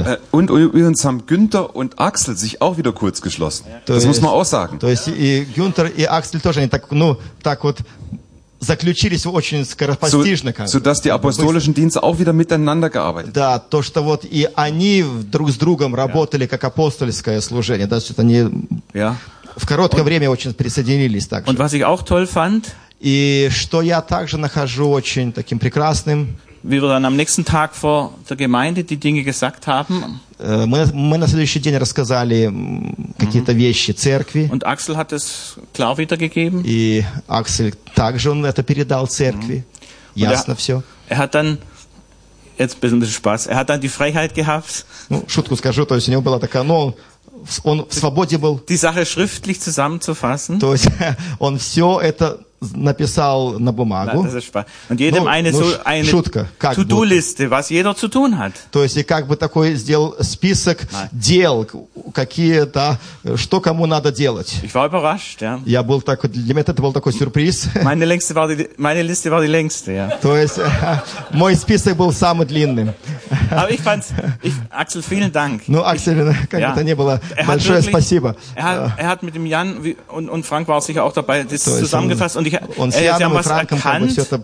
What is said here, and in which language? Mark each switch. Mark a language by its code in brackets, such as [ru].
[de] Und übrigens haben Günther und Axel sich auch wieder kurz geschlossen. Das muss man auch sagen. Günther und Axel auch, [ru] они так, ну, так вот заключились очень скоропостижно. [de] So dass die apostolischen Dienste auch wieder miteinander gearbeitet. [ru] Да, то что вот и они друг с другом работали как апостольское служение, да, что они в короткое время очень присоединились так. [de] Und was ich auch toll fand. [ru] И что я также нахожу очень таким прекрасным. [de] Wie wir dann am nächsten Tag vor der Gemeinde die Dinge gesagt haben. [ru] Мы на следующий день рассказали какие-то вещи церкви. [de] Und Axel hat es klar wiedergegeben. [ru] И Axel также он это передал церкви. Ясно все. [de] Er hat dann jetzt ein bisschen Spaß. Er hat dann die Freiheit gehabt. [ru] Ну, шутку скажу, то есть у него была такая, ну, он в свободе был. [de] Die Sache schriftlich zusammenzufassen. [ru] То есть он все это написал на бумагу. [de] Und jedem eine [ru] шутка, [de] To-Do-Liste, was jeder zu tun hat. [ru] То есть и как бы такой сделал список дел, какие, да, что кому надо делать. [de] Ich war überrascht, ja. [ru] Я был так, для меня это был такой сюрприз. [de] Meine Liste war die längste, ja. [ru] То есть мой список был самый длинный. [de] Aber ich fand, Axel, vielen Dank. [ru] Ну, Axel, как бы то ни было, большое спасибо. [de] Er hat mit dem Jan und Frank war sicher auch dabei, das zusammengefasst. Und Sie haben was erkannt,